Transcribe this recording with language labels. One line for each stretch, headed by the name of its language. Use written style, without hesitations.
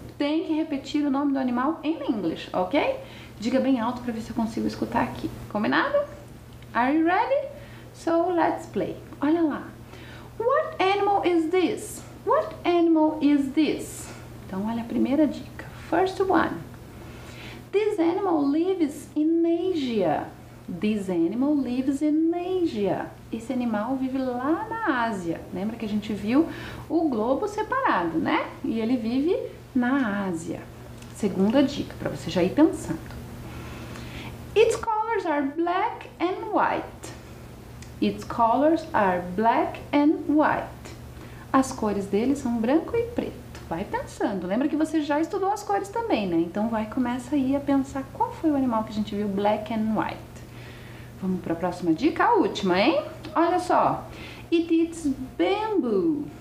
Portuguese: Tem que repetir o nome do animal em inglês, ok? Diga bem alto para ver se eu consigo escutar aqui. Combinado?
English: Are you ready? So, let's play.
Portuguese: Olha lá.
English: What animal is this? What animal is this?
Portuguese: Então, olha a primeira dica.
English: First one. This animal lives in Asia. This animal lives in Asia.
Portuguese: Esse animal vive lá na Ásia. Lembra que a gente viu o globo separado, né? E ele vive na Ásia. Segunda dica, para você já ir pensando. Its colors are black and white. Its colors are black and white. As cores dele são branco e preto. Vai pensando. Lembra que você já estudou as cores também, né? Então vai, começa aí a pensar qual foi o animal que a gente viu black and white. Vamos para a próxima dica, a última, hein? Olha só.
English: It eats bamboo.